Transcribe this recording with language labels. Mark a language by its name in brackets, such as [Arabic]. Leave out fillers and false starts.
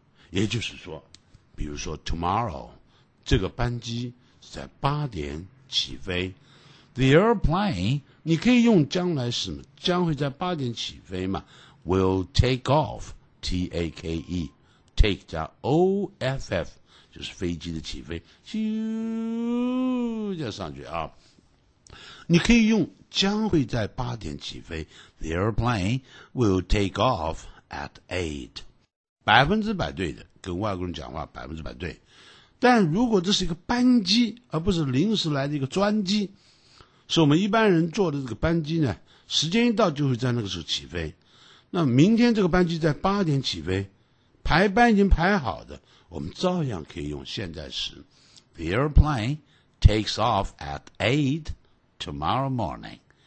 [Chinese] 也就是说，比如说 tomorrow 这个班机是在8点起飞 ， [English] the airplane [Chinese] 你可以用将来时嘛，将会在8点起飞嘛 ， [English] will take off [Chinese] t a k e take 加 o f f 就是飞机的起飞，咻就上去啊。你可以用将会在8点起飞 ， [English] the airplane will take off at 8。 [Chinese] 100%对的，跟外国人讲话100%对。但如果这是一个班机，而不是临时来的一个专机，是我们一般人坐的这个班机呢，时间一到就会在那个时候起飞。那明天这个班机在8点起飞，排班已经排好的，我们照样可以用现在时 ， [English] The airplane takes off at 8 tomorrow morning。